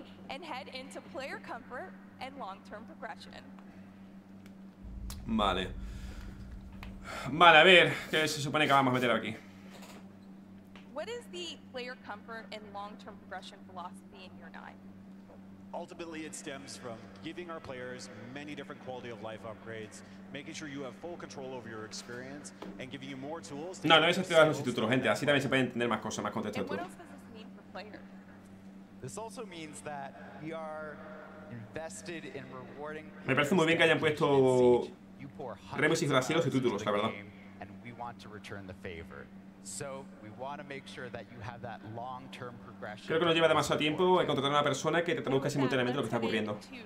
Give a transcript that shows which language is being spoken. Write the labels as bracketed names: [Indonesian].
[English] And head into player comfort and long-term progression. [Spanish] Vale. Vale, a ver, ¿qué se supone que vamos a meter aquí? [English] What is the player comfort and long-term progression philosophy in your 9? Ultimately, it stems from giving our players many different quality of life upgrades, making sure you have full control over your experience, and giving you more tools. [Spanish] No, no es activar los títulos, gente. Así también se puede entender más cosas, más contexto. [English] What else does this mean for players? This also means that we are invested in rewarding. [Spanish] Me parece muy bien que hayan puesto remos y gracias y títulos, la verdad. [English] And we want to return the favor. So we want to make sure that you have that long-term progression. [Spanish] Creo que nos lleva demasiado tiempo a contratar a una persona que te traduzca simultáneamente lo que está ocurriendo.